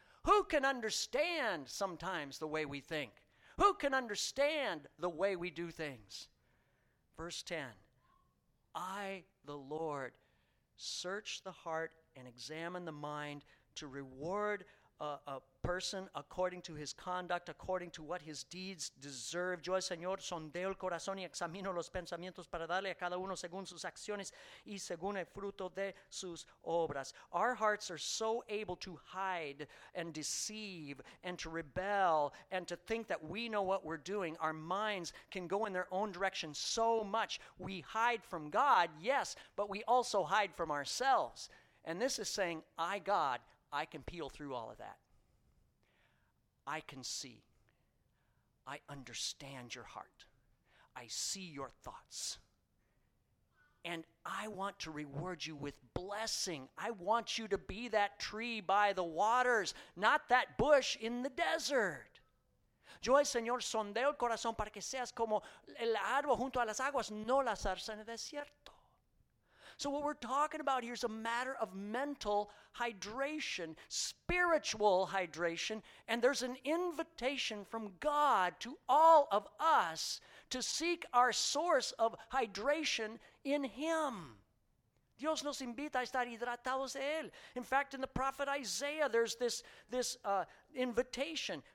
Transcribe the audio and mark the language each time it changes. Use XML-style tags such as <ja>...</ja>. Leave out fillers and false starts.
<en>Who can understand sometimes the way we think? Who can understand the way we do things? Verse 10, I, the Lord, search the heart and examine the mind to reward a person according to his conduct, according to what his deeds deserve.</en> <es>Yo, el Señor, sondeo el corazón y examino los pensamientos para darle a cada uno según sus acciones y según el fruto de sus obras.</es> <en>Our hearts are so able to hide and deceive and to rebel and to think that we know what we're doing. Our minds can go in their own direction so much. We hide from God, yes, but we also hide from ourselves. And this is saying, I, God, I can peel through all of that. I can see. I understand your heart. I see your thoughts. And I want to reward you with blessing. I want you to be that tree by the waters, not that bush in the desert.</en> <es>Yo, el Señor, sondeo el corazón para que seas como el árbol junto a las aguas, no la zarza en el desierto.</es> <en>So what we're talking about here is a matter of mental hydration, spiritual hydration, and there's an invitation from God to all of us to seek our source of hydration in Him.</en> <es>Dios nos invita a estar hidratados de Él.</es> <en>In fact, in the prophet Isaiah, there's this invitation.</en>